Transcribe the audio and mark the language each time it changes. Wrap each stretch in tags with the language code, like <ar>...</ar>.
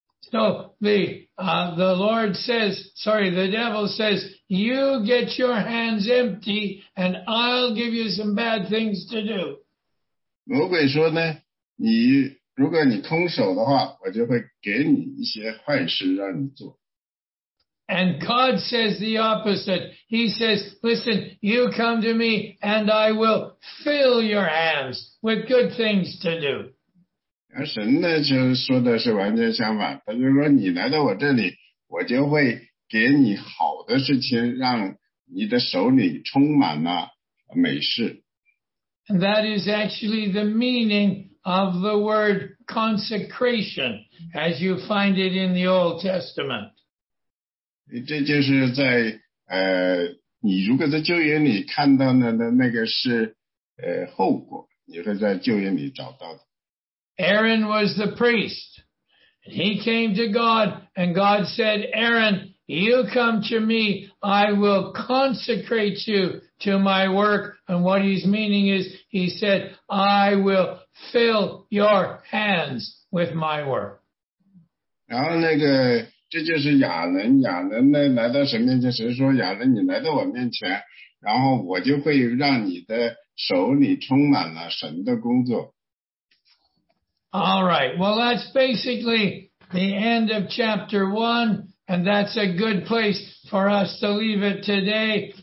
<en>So the Lord says, sorry, the devil says, you get your hands empty and I'll give you some bad things to do.</en> <zh>魔鬼说呢，你如果你空手的话，我就会给你一些坏事让你做。</zh> <en>And God says the opposite. He says, listen, you come to me and I will fill your hands with good things to do.</en> <zh>而神呢，就说的是完全相反。他就说，你来到我这里，我就会给你好的事情，让你的手里充满了美事。</zh> <en>And that is actually the meaning of the word consecration, as you find it in the Old Testament.</en> <zh>这就是在你如果在旧约里看到的那个是后果，你会在旧约里找到的。</zh> <en>Aaron was the priest. He came to God, and God said, Aaron, you come to me, I will consecrate you to my work. And what he's meaning is, he said, I will fill your hands with my work.</en> <zh>然后那个这就是亚伦，亚伦呢来到神面前，神说亚伦你来到我面前，然后我就会让你的手里充满了神的工作。</zh> <en>All right, well, that's basically the end of chapter 1, and that's a good place for us to leave it today.</en>